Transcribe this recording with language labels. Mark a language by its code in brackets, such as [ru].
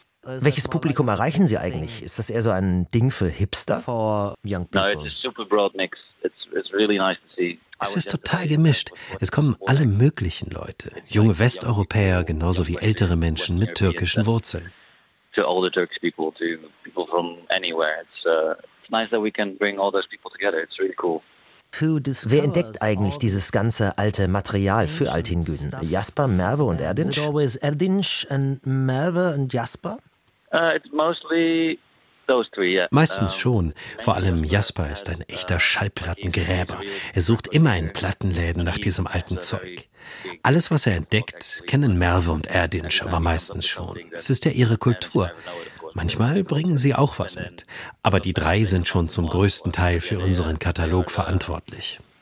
[de] Welches Publikum erreichen Sie eigentlich? Ist das eher so ein Ding für Hipster? [en] For young people? No, it's a super broad mix. It's really nice to see. [de] Es ist total gemischt. Es kommen alle möglichen Leute. Junge Westeuropäer, genauso wie ältere Menschen mit türkischen Wurzeln. [en] To all the Turkish people, to people from anywhere. It's nice that we can bring all those people together. It's really cool. [de] Wer entdeckt eigentlich dieses ganze alte Material für Altin Günn? Jasper, Merve und Erdinç? [en] It's always Erdinç and Merve and Jasper? It's mostly those three, yeah. [de] Meistens schon. Vor allem Jasper ist ein echter Schallplattengräber. Er sucht immer in Plattenläden nach diesem alten Zeug. Alles, was er entdeckt, kennen Merve und Erdinç aber meistens schon. Es ist ja ihre Kultur. Manchmal bringen sie auch was mit. Aber die drei sind schon zum größten Teil für unseren Katalog verantwortlich.